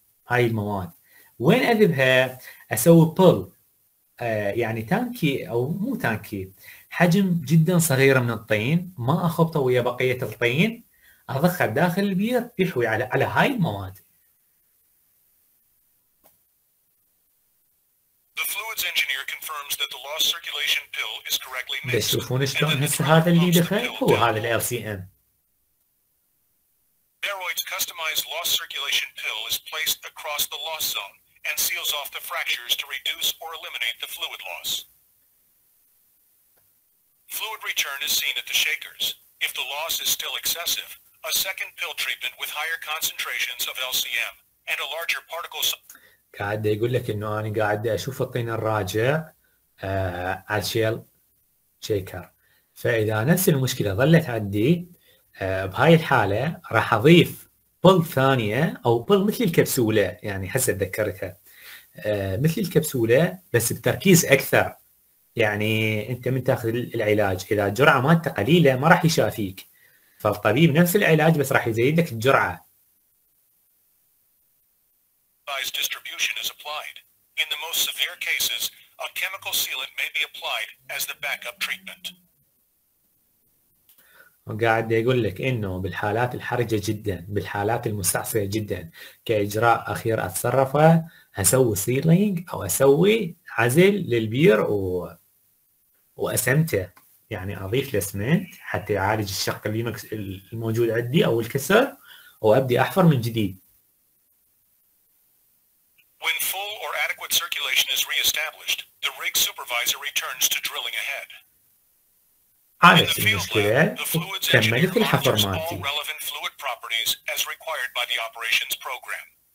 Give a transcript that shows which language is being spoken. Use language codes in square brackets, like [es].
[ar] هاي المواد وين اذبها؟ اسوي بول، يعني تانكي او مو تانكي حجم جدا صغيرة من الطين ما اخبطه ويا بقية الطين، اضخها داخل البير يحوي على هاي المواد. [en] The fluids engineer confirms that the lost circulation pill is correctly mixed. [ar] بس شوفون شلون هسه هذا اللي دخل هو هذا ال LCM. [en] Baroid's customized lost circulation pill is placed across the loss zone and seals off the fractures to reduce or eliminate the fluid loss. Fluid return is seen at the shakers. If the loss is still excessive, a second pill treatment with higher concentrations of LCM and a larger particle [ar] قاعد يقول لك انه انا قاعد اشوف الطين الراجع على شيل شيكر، فاذا نفس المشكله ظلت عندي بهاي الحاله راح اضيف بول ثانيه او بول مثل الكبسوله، يعني حسب ذكرتها مثل الكبسوله بس بتركيز اكثر. يعني انت من تاخذ العلاج اذا الجرعه مالته قليله ما راح يشافيك، فالطبيب نفس العلاج بس راح يزيد لك الجرعه. [en] Size distribution is applied. In the most severe cases, a chemical sealant may be applied as the backup treatment. [ar] وقاعد يقول لك انه بالحالات الحرجه جدا، بالحالات المستعصيه جدا، كاجراء اخير اتصرف اسوي سيلينج او اسوي عزل للبير و... واسمته، يعني اضيف الاسمنت حتى يعالج الشق اللي الموجود عندي او الكسر، وابدي احفر من جديد. [en] When full or adequate circulation is re-established, the rig supervisor returns to drilling ahead. [ar] عالج المشكلة وكملت الحفر مالتي. [en] All relevant fluid properties as required by the operations program.